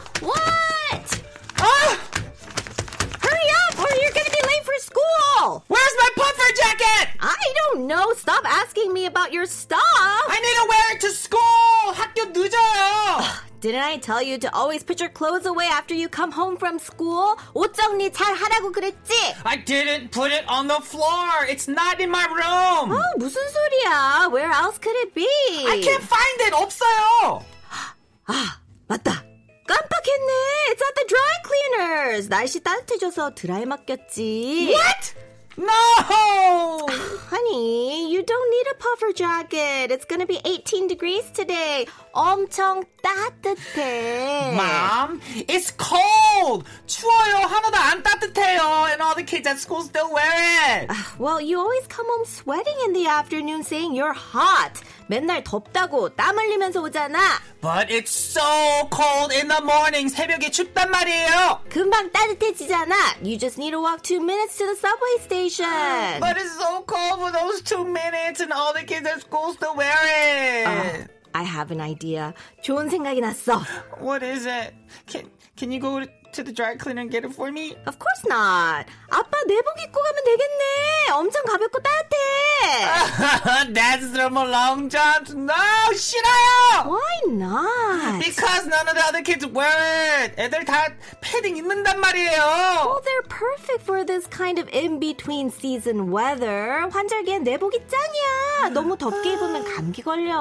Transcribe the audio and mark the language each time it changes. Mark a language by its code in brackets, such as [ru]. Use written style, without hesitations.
[en] What? Oh! Hurry up or you're gonna be late for school! Where's my puffer jacket? I don't know. Stop asking me about your stuff. I need to wear it to school! [ko] 학교 늦어요! [en] Didn't I tell you to always put your clothes away after you come home from school? [ko] 옷 정리 잘 하라고 그랬지? [en] I didn't put it on the floor. It's not in my room. Oh, [ko] 무슨 소리야? [en] Where else could it be? I can't find it. [ko] 없어요. [en] Ah. [ko] 맞다. 깜빡했네. [en] It's at the dry cleaners. [ko] 날씨 따뜻해져서 드라이 맡겼지. [en] What? No! Honey, you don't need a puffer jacket. It's gonna be 18 degrees today. [ko] 엄청 따뜻해. [en] Mom, it's cold. [ko] 추워요. 하나도 안 따뜻해요. [en] And all the kids at school still wear it. Well, you always come home sweating in the afternoon saying you're hot. [ko] 맨날 덥다고 땀 흘리면서 오잖아. [en] But it's so cold in the morning. [ko] 새벽에 춥단 말이에요. 금방 따뜻해지잖아. [en] You just need to walk 2 minutes to the subway station. But it's so cold for those 2 minutes and all the kids at school still wear it. I have an idea. [ko] 좋은 생각이 났어. [en] What is it? Can you go to the dry cleaner and get it for me? Of course not. [ko] 아빠 내복 입고 가면 되겠네. 엄청 가볍고 따뜻해. [en] That's normal long johns. No, [ko] 싫어요. [en] Why not? Because none of the other kids wear it. [ko] 애들 다 패딩 입는단 말이에요. [en] Well, they're perfect for this kind of in-between season weather. [ko] 환절기엔 내복이 짱이야. 너무 덥게 입으면 감기 걸려.